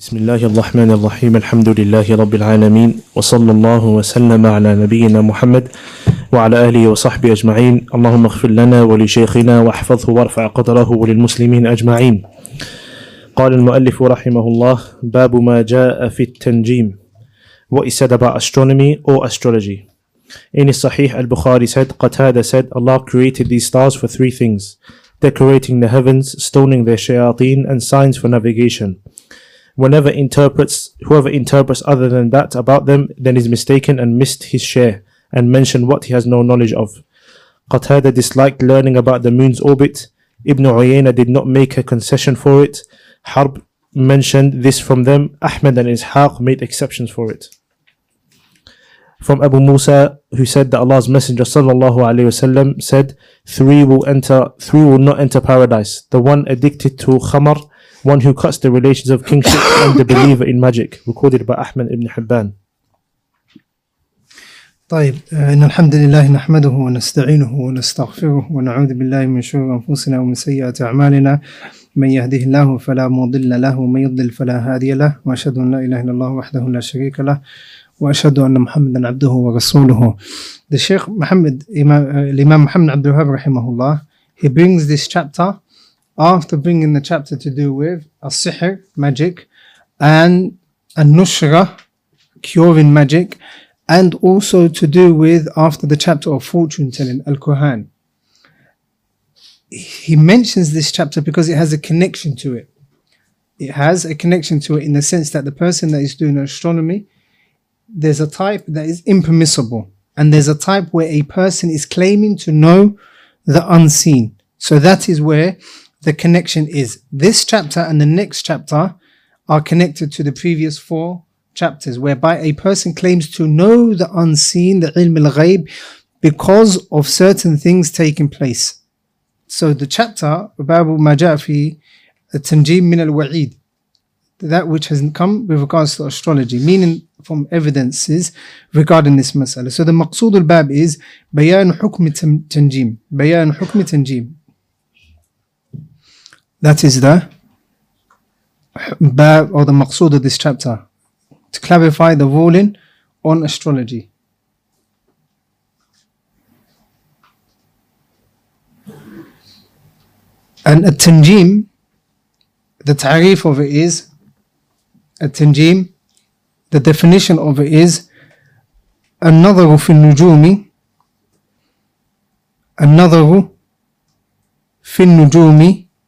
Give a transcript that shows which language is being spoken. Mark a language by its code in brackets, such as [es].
[ar] بسم الله الرحمن الرحيم الحمد لله رب العالمين وصلى الله وسلم على نبينا محمد وعلى آله وصحبه أجمعين اللهم اغفر لنا ولشيخنا واحفظه وارفع قدره وللمسلمين أجمعين. قال المؤلف رحمه الله باب ما جاء في التنجيم. [en] What he said about astronomy or astrology. In his Sahih al-Bukhari said, Qatada said, Allah created these stars for three things: decorating the heavens, stoning their shayateen, and signs for navigation. Whoever interprets other than that about them, then is mistaken and missed his share, and mentioned what he has no knowledge of. Qatada disliked learning about the moon's orbit. Ibn Uyayna did not make a concession for it. Harb mentioned this from them. Ahmed and Ishaq made exceptions for it. From Abu Musa, who said that Allah's Messenger sallallahu alayhi wasallam said, three will not enter paradise. The one addicted to khamar, one who cuts the relations of kingship, and the believer in magic, recorded by Ahmed ibn Hibban. [ar] طيب إن الحمد لله نحمده ونستعينه ونستغفره ونعوذ بالله من شرور أنفسنا ومن سيئات أعمالنا من يهده الله فلا مضل له ومن يضلل فلا هادي له وأشهد أن لا إله إلا الله وحده لا شريك له وأشهد أن محمدا عبده ورسوله. [en] The Sheikh Muhammad Imam Muhammad Abdul Wahhab رحمه الله, he brings this chapter after bringing the chapter to do with al-sihr, magic, and al-nushra, curing magic, and also to do with after the chapter of fortune telling, al-Quran. He mentions this chapter because it has a connection to it. It has a connection to it in the sense that the person that is doing astronomy, there's a type that is impermissible, and there's a type where a person is claiming to know the unseen. So that is where the connection is. This chapter and the next chapter are connected to the previous four chapters, whereby a person claims to know the unseen, the ilm al-ghayb, because of certain things taking place. So the chapter, [ar] باب ما جاء في التنجيم من الوعيد, [en] that which has come with regards to astrology, meaning from evidences regarding this masala. So the maqsood al-bab is [ar] بيان حكم التنجيم, بيان حكم التنجيم. [en] That is the bab or the maqsood of this chapter, to clarify the ruling on astrology. And at-tanjim, the ta'rif of it is, at-tanjim, the definition of it is, [ar] an-nadharu fi al-nujumi, an-nadharu fi al-nujumi,